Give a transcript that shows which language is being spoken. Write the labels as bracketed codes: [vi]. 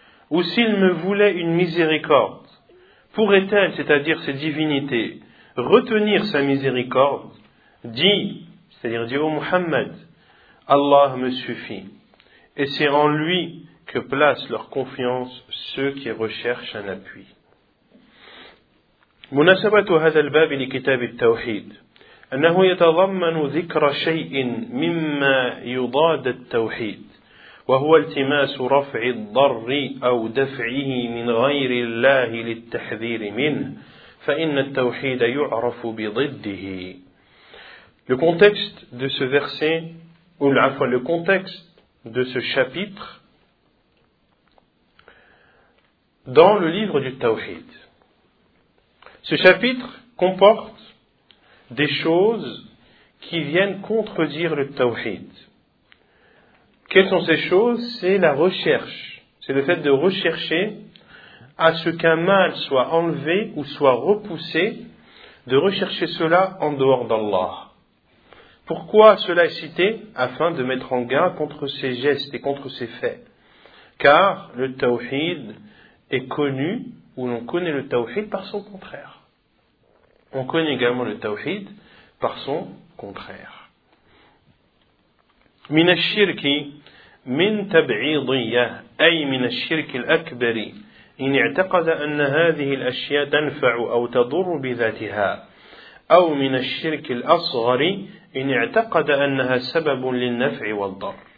[fr] Ou s'il me voulait une miséricorde, pourraient-elles, c'est-à-dire ces divinités, retenir sa miséricorde? Dit, c'est-à-dire dit au Muhammad, Allah me suffit. Et c'est en lui que placent leur confiance ceux qui recherchent un appui. [ar] مناسبة هذا الباب لكتاب التوحيد أنه يتضمن ذكر شيء مما يضاد التوحيد وهو التماس رفع الضر أو دفعه من غير الله للتحذير منه فإن التوحيد يعرف بضده. [fr] Le contexte de ce verset, ou [ar] العفو, [fr] le contexte de ce chapitre dans le livre du Tawhid. Ce chapitre comporte des choses qui viennent contredire le tawhid. Quelles sont ces choses? C'est la recherche. C'est le fait de rechercher à ce qu'un mal soit enlevé ou soit repoussé, de rechercher cela en dehors d'Allah. Pourquoi cela est cité? Afin de mettre en garde contre ces gestes et contre ces faits. Car le tawhid est connu, ou l'on connaît le tawhid par son contraire. On connaît également le tawhid par son contraire. [ar] من الشرك من تبعيضية أي من الشرك الأكبر إن اعتقد أن هذه الأشياء تنفع أو تضر بذاتها أو من الشرك الأصغر إن اعتقد أنها سبب للنفع والضر.